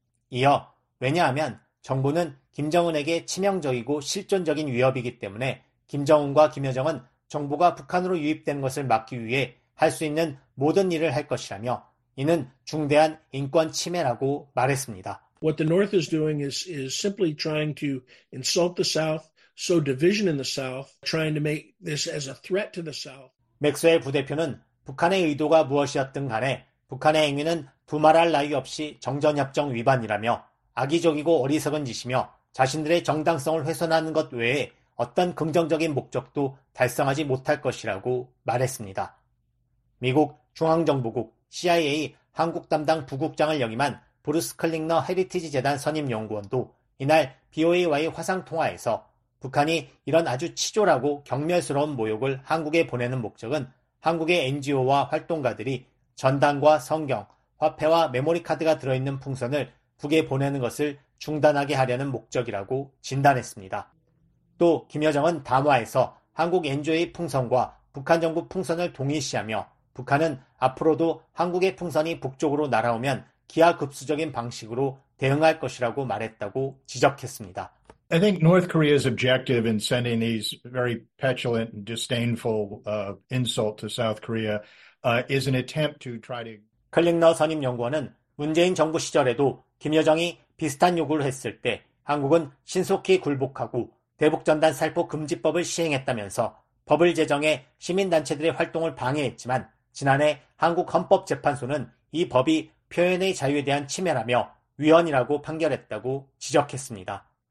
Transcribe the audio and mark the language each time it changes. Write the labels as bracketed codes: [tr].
[ko] 이어 왜냐하면 정부는 김정은에게 치명적이고 실존적인 위협이기 때문에 김정은과 김여정은 정부가 북한으로 유입된 것을 막기 위해 할 수 있는 모든 일을 할 것이라며 이는 중대한 인권 침해라고 말했습니다. [en] What the North is doing is simply trying to insult the South, sow division in the South, trying to make this as a threat to the South. [ko] 맥스웰 부대표는 북한의 의도가 무엇이었든 간에 북한의 행위는 두말할 나위 없이 정전협정 위반이라며 악의적이고 어리석은 짓이며 자신들의 정당성을 훼손하는 것 외에 어떤 긍정적인 목적도 달성하지 못할 것이라고 말했습니다. 미국 중앙정보국 CIA 한국 담당 부국장을 역임한 브루스 클링너 헤리티지 재단 선임 연구원도 이날 BOA와의 화상 통화에서 북한이 이런 아주 치졸하고 경멸스러운 모욕을 한국에 보내는 목적은 한국의 NGO와 활동가들이 전단과 성경, 화폐와 메모리 카드가 들어있는 풍선을 북에 보내는 것을 중단하게 하려는 목적이라고 진단했습니다. 또 김여정은 담화에서 한국 NGO의 풍선과 북한 정부 풍선을 동일시하며 북한은 앞으로도 한국의 풍선이 북쪽으로 날아오면 기하급수적인 방식으로 대응할 것이라고 말했다고 지적했습니다. [en] I think North Korea's objective in sending these very petulant and disdainful insult to South Korea is an attempt to try to [ko] 클링너 선임 연구원은 문재인 정부 시절에도 김여정이 비슷한 요구를 했을 때 한국은 신속히 굴복하고 대북전단 살포 금지법을 시행했다면서 법을 제정해 시민단체들의 활동을 방해했지만 지난해 한국헌법재판소는 이 법이 표현의 자유에 대한 침해라며 위헌이라고 판결했다고 지적했습니다.